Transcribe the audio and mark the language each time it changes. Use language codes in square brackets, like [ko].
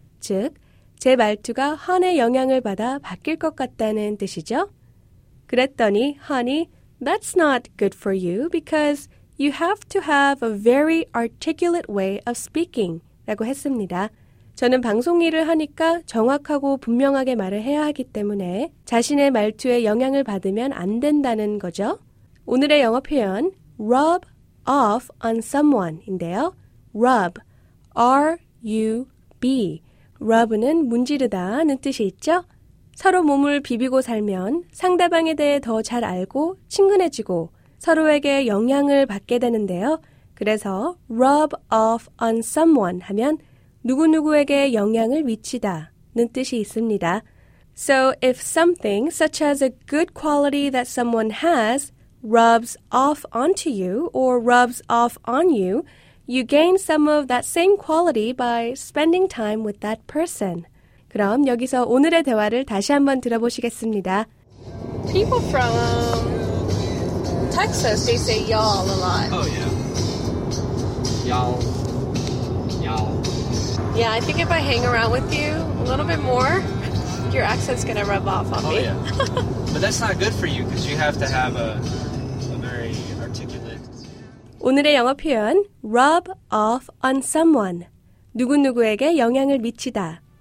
[ko] 즉, 제 말투가 헌의 영향을 받아 바뀔 것 같다는 뜻이죠. 그랬더니 헌이 [en] That's not good for you because you have to have a very articulate way of speaking [ko] 라고 했습니다. 저는 방송 일을 하니까 정확하고 분명하게 말을 해야 하기 때문에 자신의 말투에 영향을 받으면 안 된다는 거죠. 오늘의 영어 표현 rub off on someone인데요. rub, R-U-B. rub는 문지르다는 뜻이 있죠. 서로 몸을 비비고 살면 상대방에 대해 더 잘 알고 친근해지고 서로에게 영향을 받게 되는데요. 그래서 rub off on someone 하면 누구누구에게 영향을 미치다는 뜻이 있습니다. [en] So if something such as a good quality that someone has rubs off onto you or rubs off on you, you gain some of that same quality by spending time with that person. [ko] 그럼 여기서 오늘의 대화를 다시 한번 들어보시겠습니다. [en] People from Texas, they say y'all a lot. Oh, yeah. Y'all. Yeah, I think if I hang around with you a little bit more, your accent's going to rub off on me. Oh, yeah. But that's not good for you because you have to have a very articulate... [ko] 오늘의 영어 표현, rub off on someone. 누구누구에게 영향을 미치다.